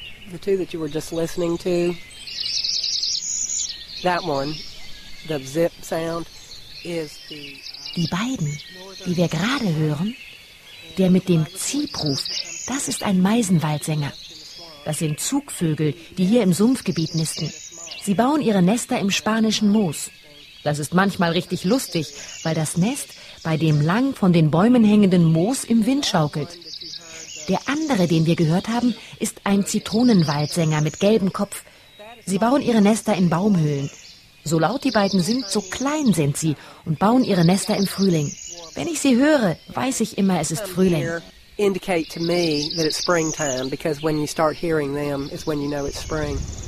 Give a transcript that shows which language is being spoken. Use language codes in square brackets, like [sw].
[en] The two that you were just listening to, that one, the zip sound, is the... [de] Die beiden, die wir gerade hören, der mit dem Ziepruf, das ist ein Meisenwaldsänger. Das sind Zugvögel, die hier im Sumpfgebiet nisten. Sie bauen ihre Nester im spanischen Moos. Das ist manchmal richtig lustig, weil das Nest bei dem lang von den Bäumen hängenden Moos im Wind schaukelt. Der andere, den wir gehört haben, ist ein Zitronenwaldsänger mit gelbem Kopf. Sie bauen ihre Nester in Baumhöhlen. So laut die beiden sind, so klein sind sie und bauen ihre Nester im Frühling. Wenn ich sie höre, weiß ich immer, es ist Frühling. [en] Indicate to me that it's springtime, because when you start hearing them is when you know it's spring.